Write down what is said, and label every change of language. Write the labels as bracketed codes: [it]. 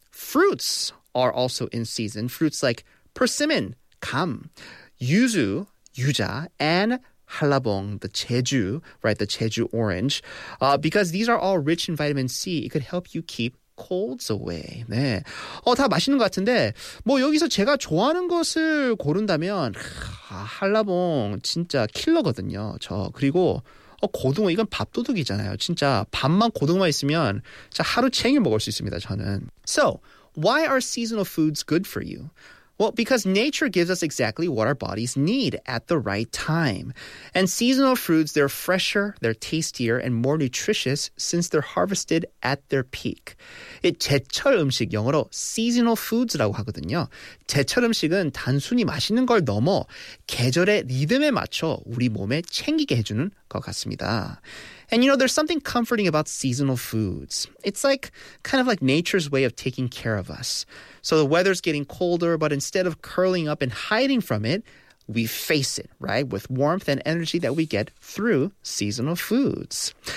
[en] Fruits are also in season. Fruits like persimmon, 감, 유주, 유자, and 할라봉, the Jeju, right, the Jeju orange. Because these are all rich in vitamin C, it could help you keep colds away. [ko] 네. 다 맛있는 것 같은데 뭐 여기서 제가 좋아하는 것을 고른다면 할라봉 진짜 킬러거든요. 저 그리고 고등어 이건 밥도둑이잖아요. 진짜 밥만 고등어만 있으면 진짜 하루 챙일 먹을 수 있습니다. 저는. [en] So, why are seasonal foods good for you? Well, because nature gives us exactly what our bodies need at the right time. And seasonal fruits, they're fresher, they're tastier, and more nutritious since they're harvested at their peak. [ko] 이 제철 음식, 영어로 [en] seasonal foods [ko] 라고 하거든요. 제철 음식은 단순히 맛있는 걸 넘어 계절의 리듬에 맞춰 우리 몸에 챙기게 해주는 것 같습니다. [en] And you know, there's something comforting about seasonal foods. It's like, kind of like nature's way of taking care of us. So the weather's getting colder, but instead of curling up and hiding from it, we face it, right? With warmth and energy that we get through seasonal foods.